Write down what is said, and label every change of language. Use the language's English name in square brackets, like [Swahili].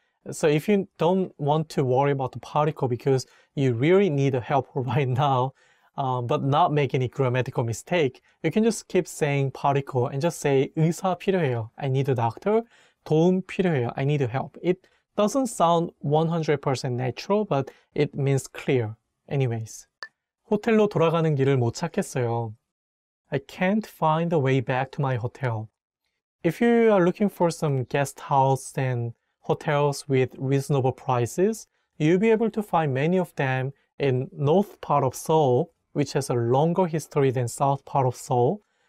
[English] So if you don't want to worry about the particle because you really need help right now, but not make any grammatical mistake, you can just keep saying particle and just say [Korean] 의사 필요해요, [English] I need a doctor. [Korean] 도움 필요해요. [English] I need help. It doesn't sound 100% natural, but it means clear. Anyways. [Korean] 호텔로 돌아가는 길을 못 찾겠어요. [English] I can't find the way back to my hotel. If you are looking for some guest house and hotels with reasonable prices, you'll be able to find many of them in north part of Seoul, which has a longer history than south part of Seoul.